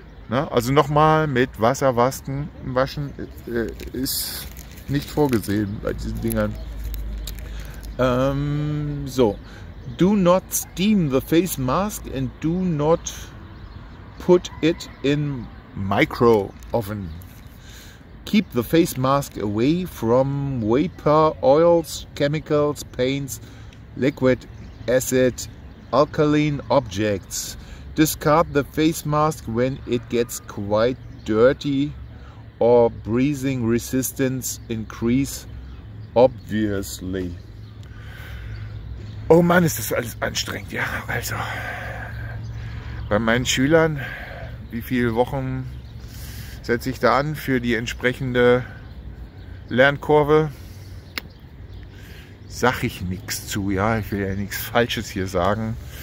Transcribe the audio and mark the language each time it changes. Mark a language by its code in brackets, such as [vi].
[de] Na, also nochmal, mit Wasser waschen ist nicht vorgesehen bei diesen Dingern. So. [en] Do not steam the face mask and do not put it in micro oven. Keep the face mask away from vapor, oils, chemicals, paints, liquid, acid, alkaline objects. Discard the face mask when it gets quite dirty or breathing resistance increase obviously. [de] Oh Mann, ist das alles anstrengend, ja. Also, bei meinen Schülern, wie viele Wochen setze ich da an für die entsprechende Lernkurve? Sag ich nichts zu, ja, ich will ja nichts Falsches hier sagen.